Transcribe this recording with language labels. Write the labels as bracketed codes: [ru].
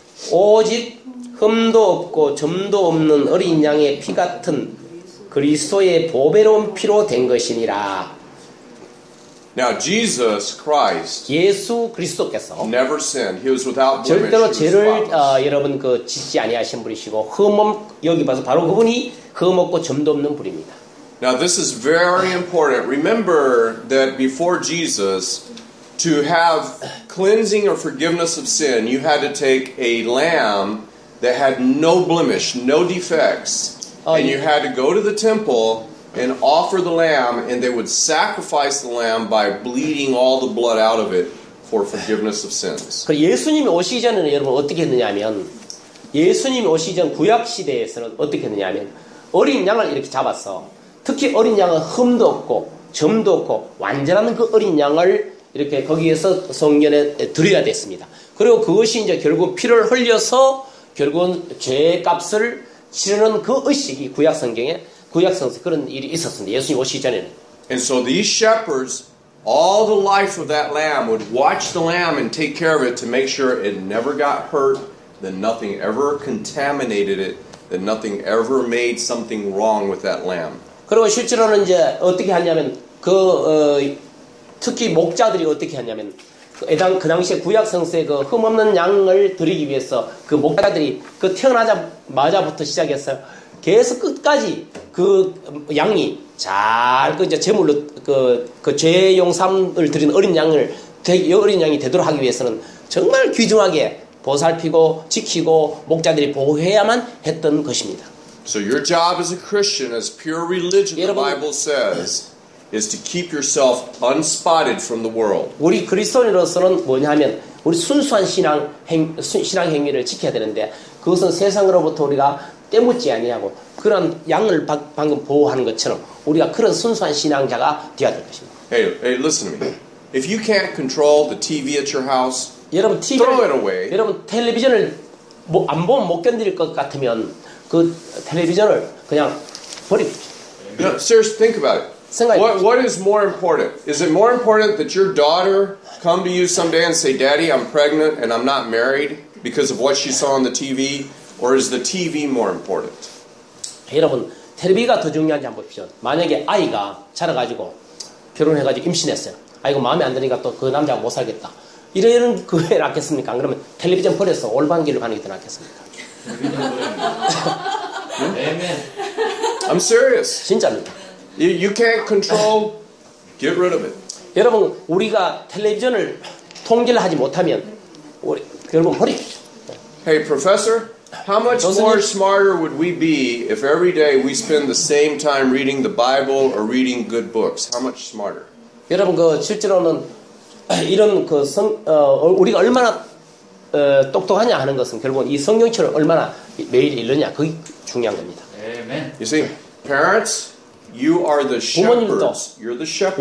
[ko] 오직 흠도 없고 점도 없는 어린 양의 피 같은 그리스도의 보배로운 피로 된 것이니라. [en] Now Jesus Christ [ko] 예수 그리스도께서 [en] never sinned. He was without blemish. [ko] 절대로 죄를 여러분 그 짓지 아니하신 분이시고 흠없 여기 봐서 바로 그분이 흠 없고 점도 없는 분입니다. [en] Now this is very important. Remember that before Jesus to have cleansing or forgiveness of sin, you had to take a lamb that had no blemish, no defects. And you had to go to the temple and offer the lamb, and they would sacrifice the lamb by bleeding all the blood out of it for forgiveness of sins. [ko] 그 예수님이 오시기 전에는 여러분 어떻게 했느냐면 예수님이 오시기 전 구약 시대에서는 어떻게 했느냐면 어린 양을 이렇게 잡아서 특히 어린 양은 흠도 없고 점도 없고 완전한 그 어린 양을 이렇게 거기에서 성전에 드려야 됐습니다. 그리고 그것이 이제 결국 피를 흘려서 결국은 죄의 값을 치르는 그 의식이 구약 성경에 구약 성서 그런 일이 있었습니다. 예수님 오시기 전에는. [en] And so these shepherds, all the life of that lamb would watch the lamb and take care of it to make sure it never got hurt, that nothing ever contaminated it, that nothing ever made something wrong with that lamb. [ko] 그리고 실제로는 이제 어떻게 하냐면 그 특히 목자들이 어떻게 하냐면 그 당시에 구약 성서에 그 흠 없는 양을 드리기 위해서 그 목자들이 그 태어나자마자부터 시작해서 계속 끝까지 그 양이 잘 그 이제 제물로 그 죄 용삼을 드린 어린 양을 어린 양이 되도록 하기 위해서는 정말 귀중하게 보살피고 지키고 목자들이 보호해야만 했던 것입니다. [en] So your job as a Christian, as pure religion, the Bible says. is to keep yourself unspotted from the world. [ko] 우리 그리스도인으로서는 뭐냐면 우리 순수한 신앙 행위를 지켜야 되는데 그것은 세상으로부터 우리가 때묻지 아니하고 그런 양을 방금 보호하는 것처럼 우리가 그런 순수한 신앙자가 되어야 될 것입니다. [en] Hey, listen to me. If you can't control the TV at your house, [ko] 여러분, [en] throw it away. [ko] 여러분 텔레비전을 뭐 안 보면 못 견딜 것 같으면 그 텔레비전을 그냥 버립시다. [en] No, seriously, think about it. What is more important? Is it more important that your daughter come to you someday and say, Daddy, I'm pregnant and I'm not married because of what she saw on the TV? Or is the TV more important? [ko] 여러분, 텔레비가 더 중요한지 한번 보십시오. 만약에 아이가 자라가지고 결혼해가지고 임신했어요. 아이고, 마음에 안 드니까 또 그 남자가 못 살겠다. 이런 그에 낫겠습니까? 안 그러면 텔레비전 버려서 올바른 길을 가는 게 더 낫겠습니까? [en] 응? I'm serious. [ko] 진짜입니다. [en] You can't control. Get rid of it. [ko] 여러분, 우리가 텔레비전을 통제를 하지 못하면 우리 여러분 버리죠. [en] Hey, professor, how much [ko] 교수님, [en] more smarter would we be if every day we spend the same time reading the Bible or reading good books? How much smarter? [ko] 여러분, 그 실제로는 이런 그 우리가 얼마나 똑똑하냐 하는 것은 결국 이 성경책을 얼마나 매일 읽느냐 그게 중요한 겁니다. [en] Amen. You see, parents. You are the shepherds. You're the shepherds.